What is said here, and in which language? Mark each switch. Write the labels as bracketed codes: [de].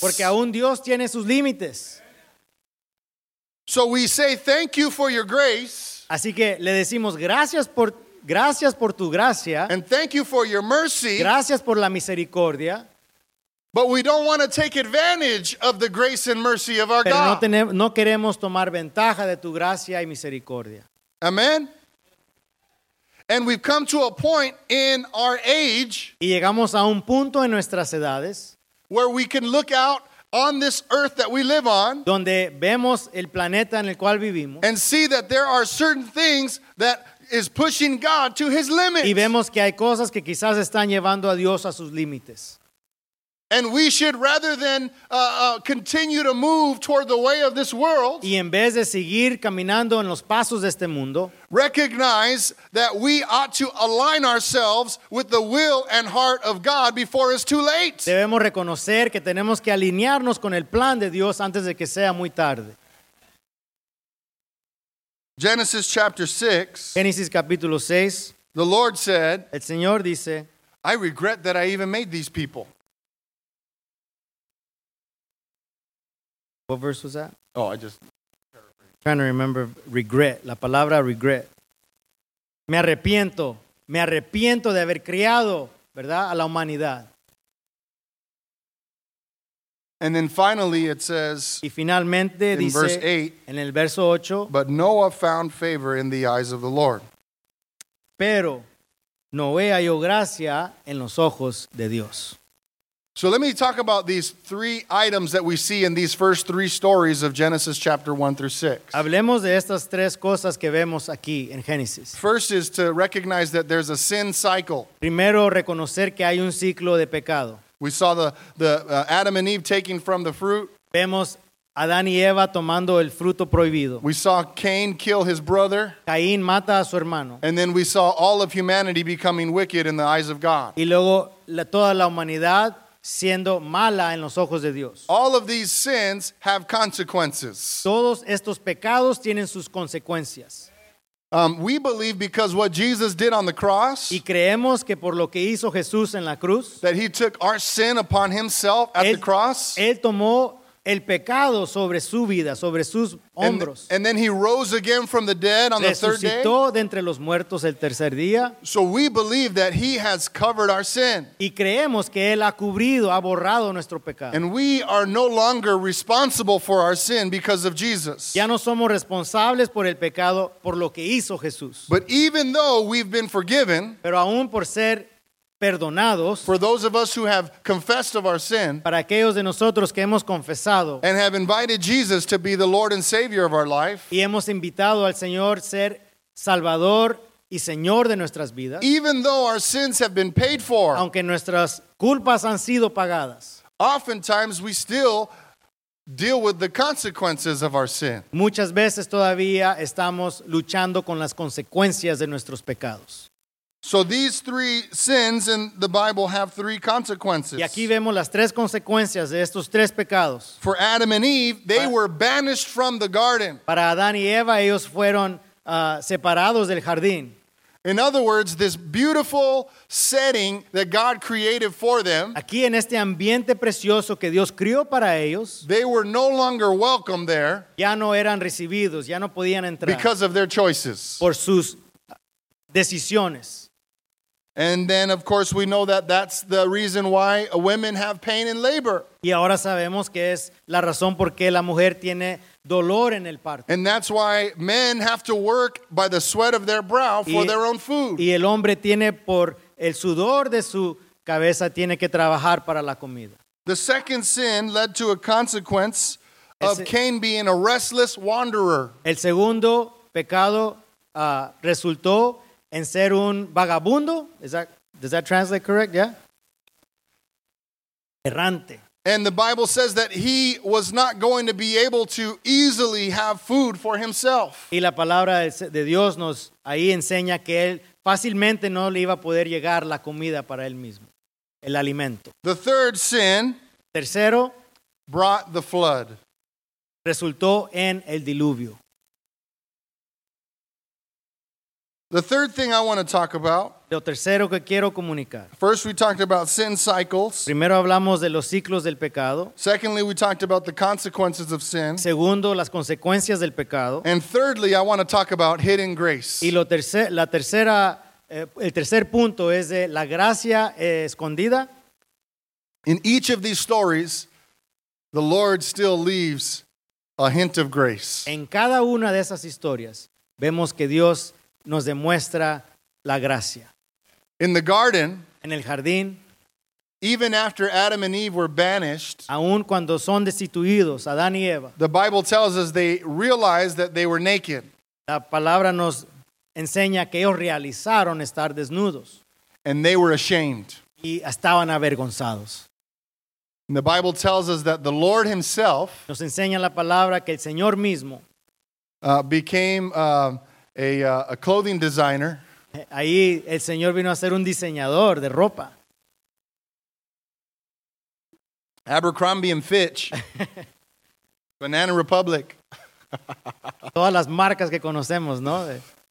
[es] Porque aún Dios tiene sus límites. [en] So we say thank you for your grace. [es] Así que le decimos gracias por tu gracia. [en] And thank you for your mercy. [es] Gracias por la misericordia. [en] But we don't want to take advantage of the grace and mercy of our God. [es] No queremos tomar ventaja de tu gracia y misericordia. [en] Amen. And we've come to a point in our age. [es] Y llegamos a un punto en nuestras edades. [en] Where we can look out on this earth that we live on. [es] Donde vemos el planeta en el cual vivimos. [en] And see that there are certain things that is pushing God to his limits. [es] Y vemos que hay cosas que quizás están llevando a Dios a sus límites. [en] And we should rather than continue to move toward the way of this world. [es] Y en vez de seguir caminando en los pasos de este mundo. [en] Recognize that we ought to align ourselves with the will and heart of God before it's too late. [es] Debemos reconocer que tenemos que alinearnos con el plan de Dios antes de que sea muy tarde. [en] Genesis chapter 6. [es] Génesis capítulo 6. [en] The Lord said. [es] El Señor dice. [en] I regret that I even made these people. What verse was that? Oh, I just trying to remember regret. [es] La palabra regret. Me arrepiento de haber creado, ¿verdad?, a la humanidad. [en] And then finally it says [es] y finalmente [en] in [es] dice, [en] verse 8, [es] en el verso 8, [en] but Noah found favor in the eyes of the Lord. [es] Pero Noé halló gracia en los ojos de Dios. [en] So let me talk about these three items that we see in these first three stories of Genesis chapter 1 through 6. [es] Hablemos de estas tres cosas que vemos aquí en Génesis. [en] First is to recognize that there's a sin cycle. [es] Primero, reconocer que hay un ciclo de pecado. [en] We saw the Adam and Eve taking from the fruit. [es] Vemos Adán y Eva tomando el fruto prohibido. [en] We saw Cain kill his brother. [es] Caín mata a su hermano. [en] And then we saw all of humanity becoming wicked in the eyes of God. [es] Y luego toda la humanidad siendo mala en los ojos de Dios. [en] All of these sins have consequences. [es] Todos estos pecados tienen sus consecuencias. [en] We believe because what Jesus did on the cross. [es] Y creemos que por lo que hizo Jesús en la cruz. [en] That he took our sin upon himself at the cross. [es] Él tomó el pecado sobre su vida, sobre sus hombros. [en] And then he rose again from the dead on [es] resucitó [en] the third day. [es] Resucitó de entre los muertos el tercer día. [en] So we believe that he has covered our sin. [es] Y creemos que él ha cubrido, ha borrado nuestro pecado. [en] And we are no longer responsible for our sin because of Jesus. [es] Ya no somos responsables por el pecado por lo que hizo Jesús. [en] But even though we've been forgiven. [es] Pero aún por ser perdonados, [en] for those of us who have confessed of our sin, [es] para aquellos de nosotros que hemos confesado, [en] and have invited Jesus to be the Lord and Savior of our life, [es] y hemos invitado al Señor ser Salvador y Señor de nuestras vidas, [en] even though our sins have been paid for, [es] aunque nuestras culpas han sido pagadas, [en] oftentimes we still deal with the consequences of our sin. [es] Muchas veces todavía estamos luchando con las consecuencias de nuestros pecados. [en] So these three sins in the Bible have three consequences. [es] Y aquí vemos las tres consecuencias de estos tres pecados. [en] For Adam and Eve, they were banished from the garden. [es] Para Adán y Eva, ellos fueron separados del jardín. [en] In other words, this beautiful setting that God created for them. [es] Aquí en este ambiente precioso que Dios creó para ellos. [en] They were no longer welcome there. [es] Ya no eran recibidos, ya no podían entrar. [en] Because of their choices. [es] Por sus decisiones. [en] And then, of course, we know that that's the reason why women have pain in labor. [es] Y ahora sabemos que es la razón por qué la mujer tiene dolor en el parto. [en] And that's why men have to work by the sweat of their brow for their own food. [es] Y el hombre tiene por el sudor de su cabeza tiene que trabajar para la comida. [en] The second sin led to a consequence of Cain being a restless wanderer. [es] El segundo pecado resultó en ser un vagabundo. [en] Does that translate correct? Yeah. [es] Errante. [en] And the Bible says that he was not going to be able to easily have food for himself. [es] Y la palabra de Dios nos ahí enseña que él fácilmente no le iba a poder llegar la comida para él mismo, el alimento. [en] The third sin, [es] tercero, [en] brought the flood. [es] Resultó en el diluvio. [en] The third thing I want to talk about. [es] Lo tercero que quiero comunicar. [en] First, we talked about sin cycles. [es] Primero hablamos de los ciclos del pecado. [en] Secondly, we talked about the consequences of sin. [es] Segundo, las consecuencias del pecado. [en] And thirdly, I want to talk about hidden grace. [es] Y lo el tercer punto es de la gracia escondida. [en] In each of these stories, the Lord still leaves a hint of grace. [es] En cada una de esas historias, vemos que Dios nos demuestra la gracia. [en] In the garden, [es] en el jardín, [en] even after Adam and Eve were banished, [es] aun cuando son destituidos, Adán y Eva, [en] the Bible tells us they realized that they were naked. [es] La palabra nos enseña que ellos realizaron estar desnudos. [en] And they were ashamed. [es] Y estaban avergonzados. [en] And the Bible tells us that the Lord himself [es] nos enseña la palabra que el Señor mismo [en] became a clothing designer. [es] Ahí el Señor vino a ser un diseñador de ropa. [en] Abercrombie and Fitch. Banana Republic. [es] Todas las marcas que conocemos, ¿no?